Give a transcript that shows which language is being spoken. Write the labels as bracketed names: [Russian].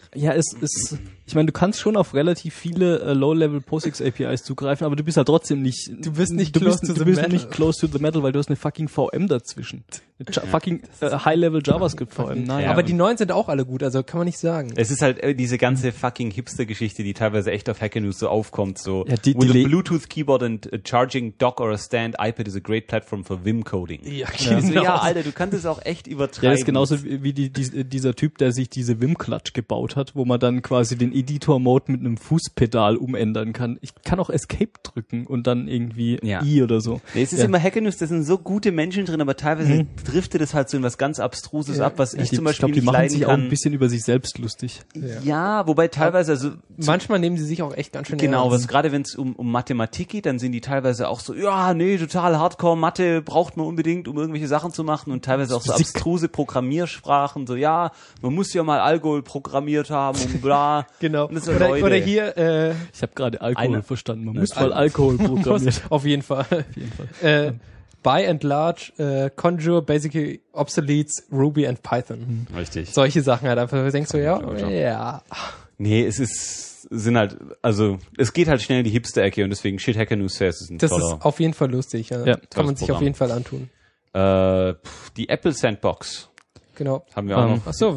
[German] Ja, ich meine, du kannst schon auf relativ viele Low-Level POSIX-APIs zugreifen, aber du bist halt trotzdem nicht. Du bist nicht [English] close to the metal, [German] weil du hast eine fucking VM dazwischen. Fucking High-Level JavaScript-VM. Nein. Ja, aber die neuen sind auch alle gut, also kann man nicht sagen. Es ist halt diese ganze fucking Hipster-Geschichte, die teilweise echt auf Hacker News so aufkommt, so. Ja, [English] with a Bluetooth keyboard and a charging dock or a stand, iPad is a great platform for Vim-Coding. [German] Ja, genau. Ja, Alter, du kannst es auch echt übertreiben. Ja, das ist genauso wie dieser Typ, der sich diese Vim-Clutch gebaut hat, wo man dann quasi den Editor-Mode mit einem Fußpedal umändern kann. Ich kann auch Escape drücken und dann irgendwie I oder so. Nee, es ist immer Hacker News, da sind so gute Menschen drin, aber teilweise driftet es halt so in was ganz Abstruses ab, was ich zum Beispiel nicht leiden kann. Ich glaube, die machen sich auch ein bisschen über sich selbst lustig. Ja, wobei teilweise, also manchmal nehmen sie sich auch echt ganz schön genau, ernst. Genau, gerade wenn es um Mathematik geht, dann sind die teilweise auch so, ja, nee, total Hardcore, Mathe braucht man unbedingt, um irgendwelche Sachen zu machen, und teilweise auch so abstruse Programmiersprachen, so, ja, man muss ja mal Alkohol programmiert haben und bla. Genau. Und so, oder hier, ich habe gerade Alkohol verstanden, man muss mal Alkohol programmieren. Auf jeden Fall. [English] By and large, Conjure basically obsoletes Ruby and Python. [German] Richtig. Solche Sachen halt einfach. Denkst du, ja? Ja. Nee, es ist, sind halt, also, es geht halt schnell in die Hipster-Ecke und deswegen Shit Hacker News Fest ist ein Das ist auf jeden Fall lustig. Ja. Kann man sich Programm auf jeden Fall antun. Die Apple Sandbox. Genau. Haben wir auch noch. Ach so,